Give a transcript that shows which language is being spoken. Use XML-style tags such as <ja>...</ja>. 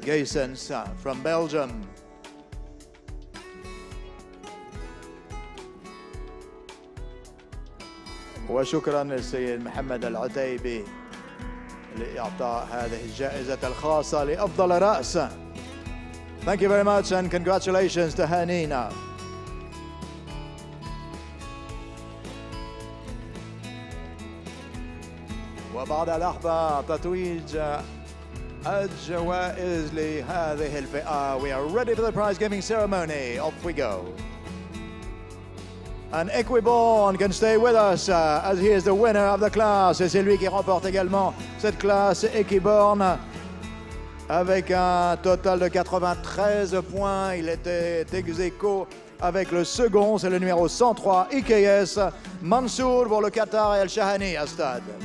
<en>Gaysens from Belgium.</en> <ar>وشكرا للسيد محمد العتيبي لإعطاء هذه الجائزة الخاصة لأفضل رأس.</ar> <en>Thank you very much and congratulations to Hanina.</en> <ar>وبعد لحظة تتويج الجوائز لهذه الفئة.</ar> <en>We are ready for the prize giving ceremony. Off we go. And Equiborn can stay with us as he is the winner of the class.</en> <fr>Et c'est lui qui remporte également cette classe, Equiborn, avec un total de 93 points. Il était ex aequo avec le second, c'est le numéro 103, IKS Mansour pour le Qatar et El Shahani à Stade.</fr>